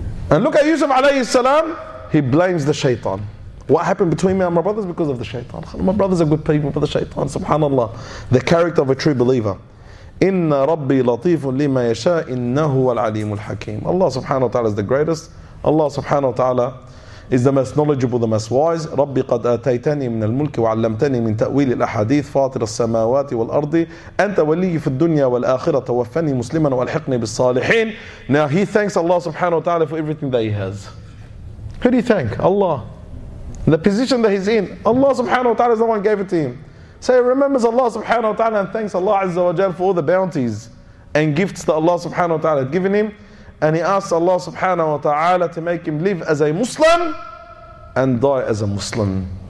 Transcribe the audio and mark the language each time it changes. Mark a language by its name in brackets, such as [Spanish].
[English] And look at Yusuf alayhi salam, he blames the shaitan. What happened between me and my brothers? Because of the shaitan. My brothers are good people, but the shaitan, subhanAllah. The character of a true believer. [Arabic] إِنَّ رَبِّي لَطِيفٌ لِمَا يَشَاءُ إِنَّهُ وَالْعَلِيمُ الْحَكِيمُ [English] Allah subhanahu wa ta'ala is the greatest. Allah subhanahu wa ta'ala is the most knowledgeable, the most wise. [Arabic] رَبِّي قَدْ آتَيْتَنِي مِنَ الْمُلْكِ وَعَلَّمْتَنِي مِنْ تَأْوِيلِ الْأَحَادِيثِ فَاطِرَ السَّمَاوَاتِ وَالْأَرْضِ أَنْتَ وَلِيِّ فِي الدُّنْيَا وَالْآخِرَةِ تَوَفَّنِي مُسْلِمًا وَأَلْحِقْنِي بِالصَّالِحِينَ [English] Now he thanks Allah subhanahu wa ta'ala for everything that he has. Who do you thank? Allah. The position that he's in, Allah subhanahu wa ta'ala is the one gave it to him. So he remembers Allah subhanahu wa ta'ala and thanks Allah azza wa jal for all the bounties and gifts that Allah subhanahu wa ta'ala had given him. And he asks Allah subhanahu wa ta'ala to make him live as a Muslim and die as a Muslim.